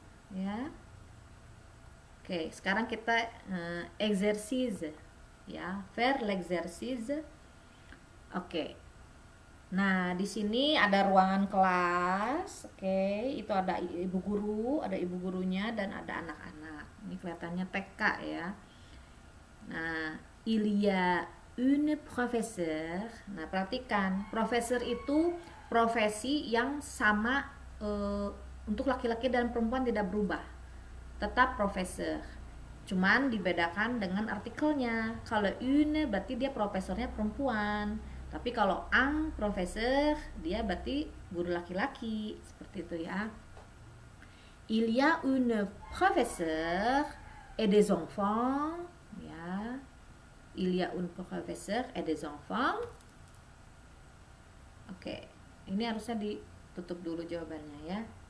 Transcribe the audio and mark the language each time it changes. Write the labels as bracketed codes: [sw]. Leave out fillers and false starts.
[id] Ya. Oke, sekarang kita exercise ya, [fr] faire l'exercice. [id] Oke. Nah, di sini ada ruangan kelas. Oke, itu ada ibu guru, ada ibu gurunya dan ada anak-anak. Ini kelihatannya TK ya. [fr] Nah, il y a une professeur. [id] Nah, perhatikan, [fr] professeur itu [id] profesi yang sama untuk laki-laki dan perempuan tidak berubah, tetap profesor, cuman dibedakan dengan artikelnya. Kalau une berarti dia profesornya perempuan, tapi kalau ang profesor dia berarti guru laki-laki, seperti itu ya. [fr] Il y a une professeur et des enfants, ya. Il y a une professeur et des enfants. [id] Oke, ini harusnya ditutup dulu jawabannya ya.